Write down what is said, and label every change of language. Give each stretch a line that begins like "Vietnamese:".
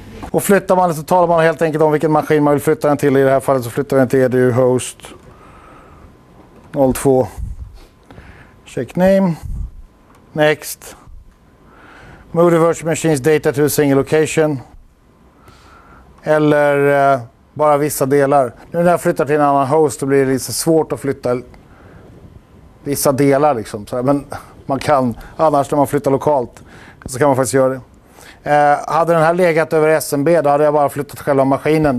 Swedish: Och flyttar man så talar man helt enkelt om vilken maskin man vill flytta den till. I det här fallet så flyttar den till EDU host 02.
English: Check name. Next. Move the virtual machine's data to a single location.
Swedish: Eller bara vissa delar. Nu när jag flyttar till en annan host, då blir det lite svårt att flytta vissa delar liksom. Så här, men man kan, annars när man flyttar lokalt så kan man faktiskt göra det. Hade den här legat över SMB, då hade jag bara flyttat själva maskinen.